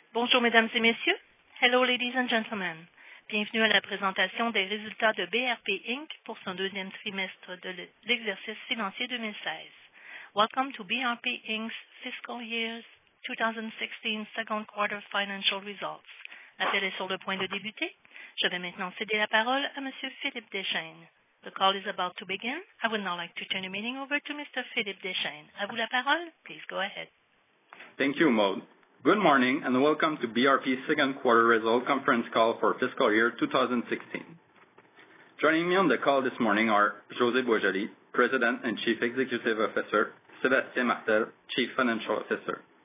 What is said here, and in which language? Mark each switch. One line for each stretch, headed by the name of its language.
French: Bonjour, mesdames et messieurs.
English: Hello, ladies and gentlemen.
French: Bienvenue à la présentation des résultats de BRP Inc. pour son deuxième trimestre de l'exercice financier 2016.
English: Welcome to BRP Inc.'s Fiscal Year 2016 Second Quarter Financial Results.
French: L'appel est sur le point de débuter. Je vais maintenant céder la parole à M. Philippe Deschênes.
English: The call is about to begin. I would now like to turn the meeting over to Mr.
French: Philippe Deschênes. À vous la parole.
English: Please go ahead. Thank you, Maud. Good morning and welcome to BRP's second quarter result conference call for fiscal year 2016. Joining me on the call this morning are José Boisjoli, President and Chief Executive Officer, Sébastien Martel, Chief Financial Officer.